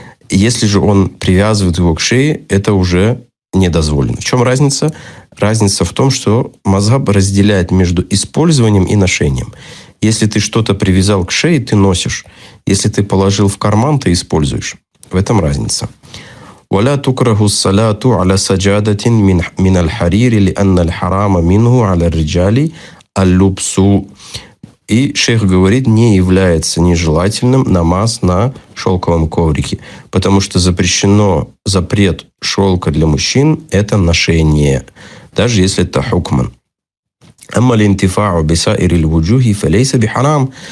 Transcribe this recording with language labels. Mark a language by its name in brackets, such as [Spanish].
[Russian] Если же он привязывает его к шее, это уже не дозволено. В чем разница? Разница в том, что мазхаб разделяет между использованием и ношением. Если ты что-то привязал к шее, ты носишь. Если ты положил в карман, ты используешь. В этом разница. [Arabic] ولا تكره الصلاة على سجادة من الحرير لأن الحرام منه على الرجال اللبس. [Russian] И шейх говорит, не является нежелательным намаз на шелковом коврике, потому что запрещено запрет шелка для мужчин – это ношение, даже если это хукман. [Arabic] Амма линтифау бисаири лвуджухи фалейса бихарам.